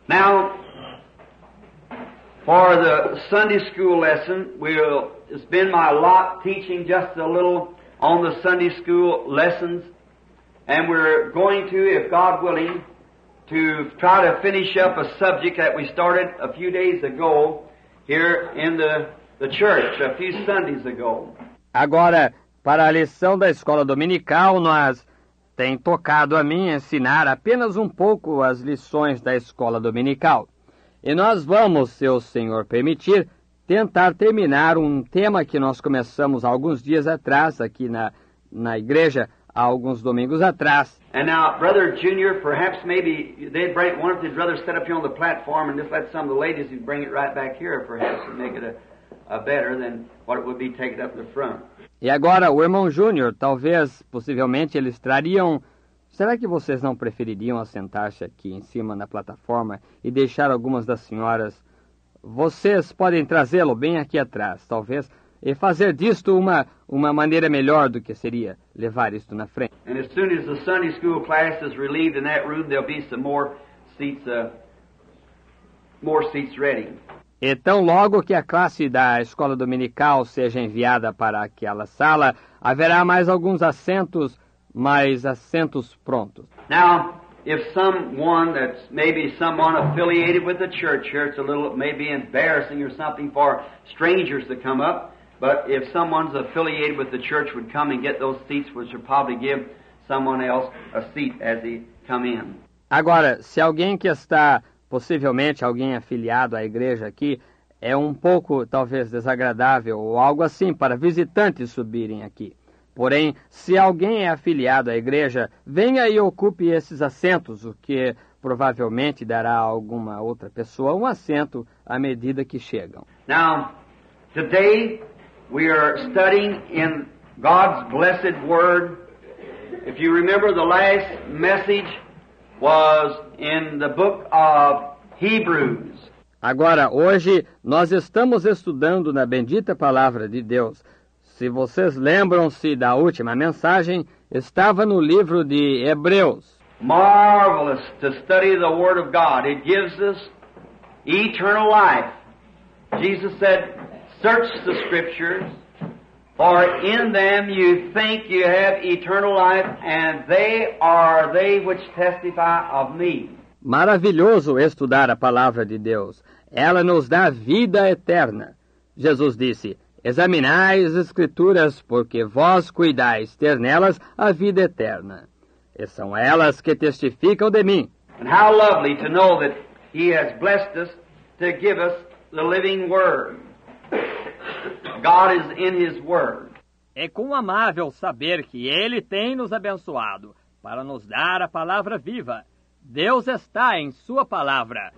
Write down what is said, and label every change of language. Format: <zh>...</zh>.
<en>Now, for the Sunday school lesson, it's been my lot teaching just a little on the Sunday school lessons. And we're going to, if God willing, to try to finish up a subject that we started a few days ago here in the church, a few Sundays ago.</en> <pt>Agora, para a lição da escola dominical, nós tem tocado a mim ensinar apenas um pouco as lições da escola dominical. E nós vamos, se o Senhor permitir, tentar terminar um tema que nós começamos alguns dias atrás aqui na igreja, alguns domingos atrás.</pt> <en>And now, Brother Junior, perhaps maybe they'd bring one of the brothers set up here on the platform and just let some of the ladies bring it right back here, perhaps, and make it a better than what it would be taken up the front.</en> <pt>E agora, o irmão Junior, talvez, possivelmente, eles trariam. Será que vocês não prefeririam assentar-se aqui em cima na plataforma e deixar algumas das senhoras? Vocês podem trazê-lo bem aqui atrás, talvez, e fazer disto uma maneira melhor do que seria levar isto na frente.</pt> <en>And as soon as the Sunday school class is relieved in that room, there'll be some more seats ready.</en> <pt>E tão logo que a classe da escola dominical seja enviada para aquela sala, haverá mais alguns assentos, mais assentos prontos.</pt> <en>Now, if someone that's maybe someone affiliated with the church here, it's a little maybe embarrassing or something for strangers to come up. But if someone's affiliated with the church would come and get those seats, which would probably give someone else a seat as they come in.</en> <pt>Agora, se alguém que está, possivelmente alguém afiliado à igreja aqui, é um pouco, talvez, desagradável ou algo assim para visitantes subirem aqui. Porém, se alguém é afiliado à igreja, venha e ocupe esses assentos, o que provavelmente dará a alguma outra pessoa um assento à medida que chegam.</pt> <en>Now, today we are studying in God's blessed word. If you remember, the last message was in the book of Hebrews.</en> <pt>Agora, hoje, nós estamos estudando na bendita palavra de Deus. Se vocês lembram-se da última mensagem, estava no livro de Hebreus.</pt> <en>Marvelous to study the word of God. It gives us eternal life. Jesus said, search the scriptures, for in them you think you have eternal life, and they are they which testify of me.</en> <pt>Maravilhoso estudar a palavra de Deus. Ela nos dá vida eterna. Jesus disse, examinai as Escrituras, porque vós cuidais ter nelas a vida eterna. E são elas que testificam de mim.</pt> <en>And how lovely to know that he has blessed us to give us the living word. God is in his word.</en> <pt>É quão amável saber que ele tem nos abençoado para nos dar a palavra viva. Deus está em sua palavra.</pt>